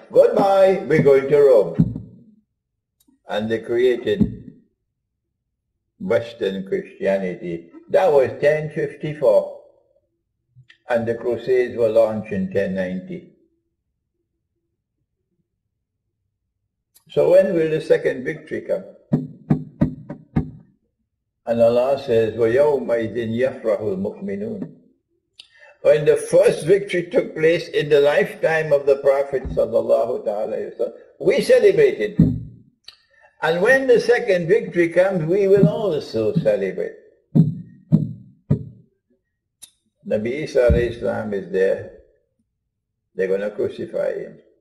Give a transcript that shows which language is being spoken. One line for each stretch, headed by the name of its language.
English: Goodbye, we're going to Rome. And they created Western Christianity. That was 1054. And the Crusades were launched in 1090. So when will the second victory come? And Allah says,
Arabic: وَيَوْمَ إِذٍ يَفْرَحُ الْمُؤْمِنُونَ.
English: When the first victory took place in the lifetime of the Prophet sallallahu alaihi wasallam, we celebrated. And when the second victory comes, we will also celebrate. Nabi Isa alayhi salam is there. They're going to crucify him.